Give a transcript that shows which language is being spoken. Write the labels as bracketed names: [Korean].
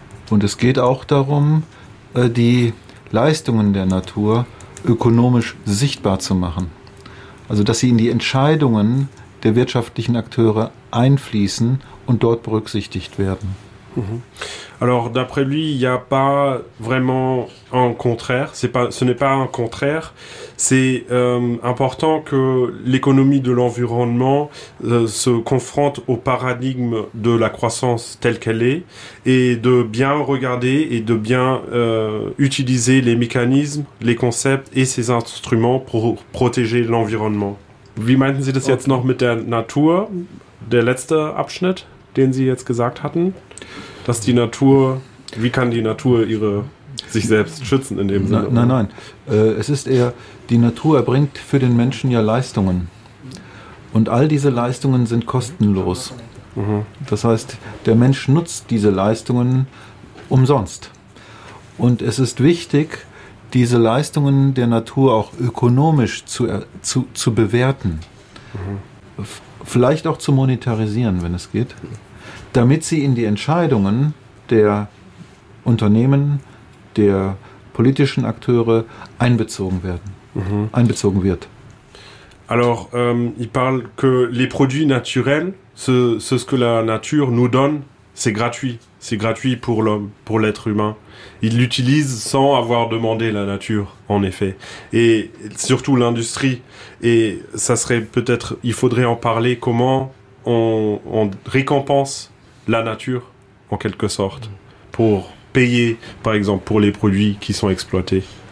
[German] Und es geht auch darum, die Leistungen der Natur ökonomisch sichtbar zu machen. Also, dass sie in die Entscheidungen der wirtschaftlichen Akteure einfließen und dort berücksichtigt werden. [French] Alors, d'après lui, il n'y a pas vraiment un contraire. Ce n'est pas un contraire. C'est important que l'économie de l'environnement se confronte au paradigme de la croissance telle qu'elle est et de bien regarder et de bien utiliser les mécanismes, les concepts et ces instruments pour protéger l'environnement. [German] Wie meinten Sie das jetzt noch mit der Natur, der letzte Abschnitt, den Sie jetzt gesagt hatten? Dass die Natur, wie kann die Natur sich selbst schützen in dem Sinne? Nein. Es ist eher, die Natur erbringt für den Menschen ja Leistungen. Und all diese Leistungen sind kostenlos. Das heißt, der Mensch nutzt diese Leistungen umsonst. Und es ist wichtig, diese Leistungen der Natur auch ökonomisch zu bewerten. Vielleicht auch zu monetarisieren, wenn es geht. Damit sie in die Entscheidungen der Unternehmen, der politischen Akteure einbezogen wird. [French] Alors, il parle que les produits naturels, ce que la nature nous donne, c'est gratuit. C'est gratuit pour l'homme, pour l'être humain. Il l'utilise sans avoir demandé la nature, en effet. Et surtout l'industrie. Et ça serait peut-être, il faudrait en parler, comment on récompense la nature, en quelque sorte, pour payer, par exemple, pour les produits qui sont exploités.